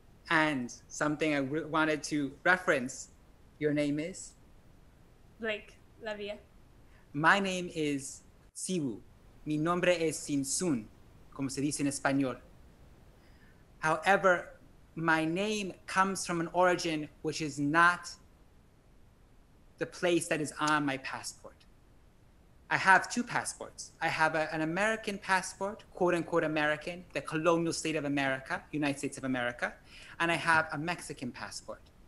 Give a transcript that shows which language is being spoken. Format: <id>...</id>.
<en>And something I wanted to reference, your name is? Blake Lavia. My name is Sibu.</en> <es>Mi nombre es Sinsun, como se dice en español.</es> <en>However, my name comes from an origin which is not the place that is on my passport. I have two passports. I have an American passport, quote unquote American, the colonial state of America, United States of America, and I have a Mexican passport.</en>